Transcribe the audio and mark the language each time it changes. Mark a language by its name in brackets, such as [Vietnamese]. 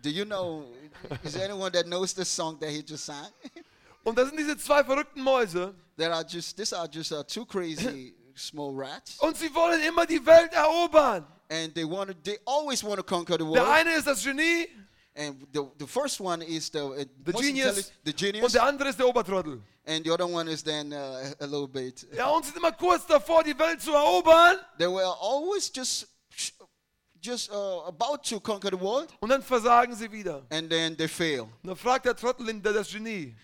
[English] Do you know, is there anyone that knows the song that he just sang? [German] Und das sind diese zwei verrückten Mäuse. [English] These are just two crazy small rats. [German] Und sie wollen immer die Welt erobern. [English] And they always want to conquer the world. [German] Der eine ist das Genie. [English] And the first one is the genius. The genius. [German] Und der andere ist der Obertrottel. [English] And the other one is then a little bit. [German] Ja, und sie sind immer kurz davor, die Welt zu erobern. [English] They were always just about to conquer the world. [German] Und dann versagen sie wieder. [English] And then they fail. [German] Und dann fragt der Trottel das Genie.